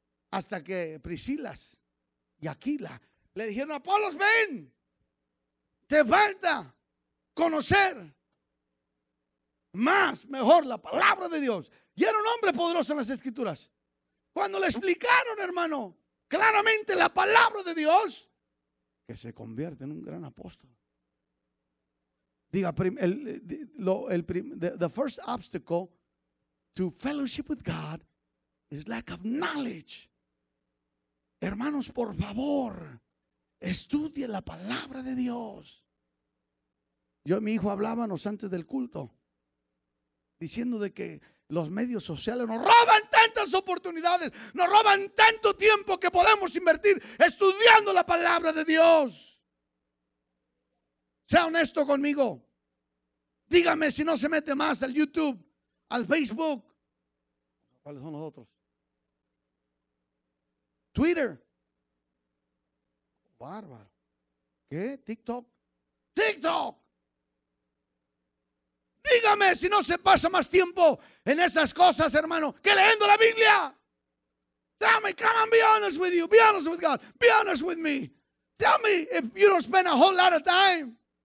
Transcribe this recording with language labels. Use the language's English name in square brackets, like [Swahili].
[Spanish] Hasta que Priscilas y Aquila le dijeron, Apolos, ven, te falta conocer más, mejor la palabra de Dios. Y era un hombre poderoso en las Escrituras. Cuando le explicaron, hermano, claramente la palabra de Dios, que se convierte en un gran apóstol. Diga, [English] the first obstacle to fellowship with God is lack of knowledge. [Spanish] Hermanos, por favor, estudie la palabra de Dios. Yo y mi hijo hablábamos antes del culto, diciendo de que los medios sociales nos roban tantas oportunidades, nos roban tanto tiempo que podemos invertir estudiando la palabra de Dios. Sea honesto conmigo. Dígame si no se mete más al YouTube, al Facebook. ¿Cuáles son los otros? Twitter. Bárbaro. ¿Qué? TikTok. TikTok. Dígame si no se pasa más tiempo en esas cosas, hermano, que leyendo la Biblia. [English] Tell me, come on, be honest with you. Be honest with God. Be honest with me. Tell me if you don't spend a whole lot of time.